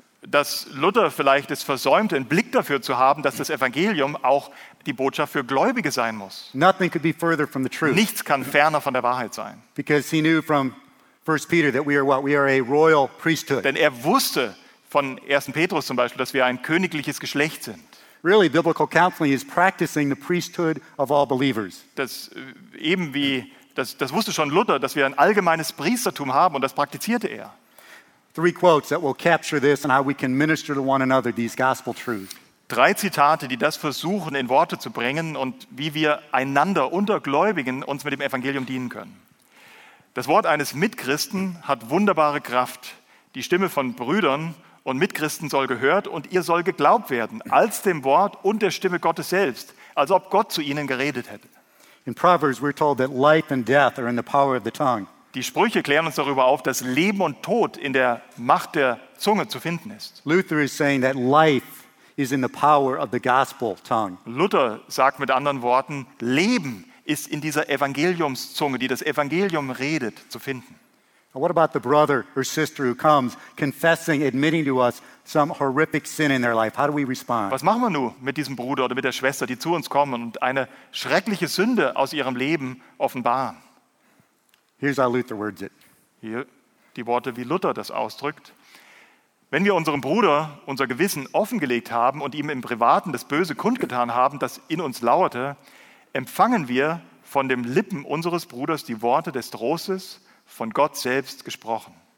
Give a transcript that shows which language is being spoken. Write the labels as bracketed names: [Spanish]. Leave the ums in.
[German] Dass Luther vielleicht es versäumt, einen Blick dafür zu haben, dass das Evangelium auch die Botschaft für Gläubige sein muss. Nichts kann ferner von der Wahrheit sein. [English] Because he knew from [German] denn er wusste von 1. Petrus zum Beispiel, dass wir ein königliches Geschlecht sind. [English] Really, biblical counseling is practicing the priesthood of all believers. [German] Das eben wie das, das wusste schon Luther, dass wir ein allgemeines Priestertum haben und das praktizierte er. [English] Three quotes that will capture this and how we can minister to one another these gospel truths. [German] Drei Zitate, die das versuchen in Worte zu bringen und wie wir einander unter Gläubigen uns mit dem Evangelium dienen können. Das Wort eines Mitchristen hat wunderbare Kraft. Die Stimme von Brüdern und Mitchristen soll gehört und ihr soll geglaubt werden als dem Wort und der Stimme Gottes selbst, als ob Gott zu ihnen geredet hätte. [English] In Proverbs we're told Die [German] Sprüche klären uns darüber auf, dass Leben und Tod in der Macht der Zunge zu finden ist. [English] Luther is saying that life is in the power of the gospel tongue. [German] Luther sagt mit anderen Worten, Leben ist in dieser Evangeliumszunge, die das Evangelium redet, zu finden. [English] What about the brother or sister who comes confessing, admitting to us some horrific sin in their life? How do we respond? [German] Was machen wir nun mit diesem Bruder oder mit der Schwester, die zu uns kommen und eine schreckliche Sünde aus ihrem Leben offenbaren? [English] Here's how Luther words it. [German] Hier die Worte, wie Luther das ausdrückt. Wenn wir unserem Bruder unser Gewissen offengelegt haben und ihm im Privaten das Böse kundgetan haben, das in uns lauerte, empfangen wir von dem Lippen unseres Bruders die Worte des Trostes von Gott selbst gesprochen.